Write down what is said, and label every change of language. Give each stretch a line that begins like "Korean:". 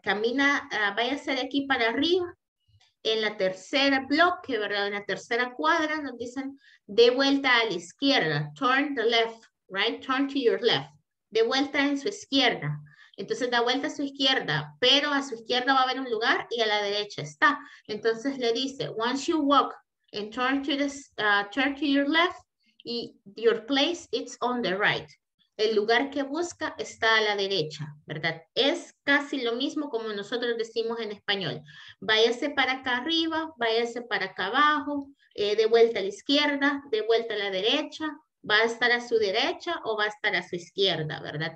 Spanish: Camina, váyase de aquí para arriba. En la tercera bloque, ¿verdad? En la tercera cuadra nos dicen, de vuelta a la izquierda,
English: turn the left, right? Turn to your left,
Spanish: de vuelta en su izquierda. Entonces da vuelta a su izquierda, pero a su izquierda va a haber un lugar y a la derecha está. Entonces le dice,
English: once you walk and turn to, turn to your left, y your place is on the right.
Spanish: El lugar que busca está a la derecha, ¿verdad? Es casi lo mismo como nosotros decimos en español. Váyase para acá arriba, váyase para acá abajo, de vuelta a la izquierda, de vuelta a la derecha, va a estar a su derecha o va a estar a su izquierda, ¿verdad?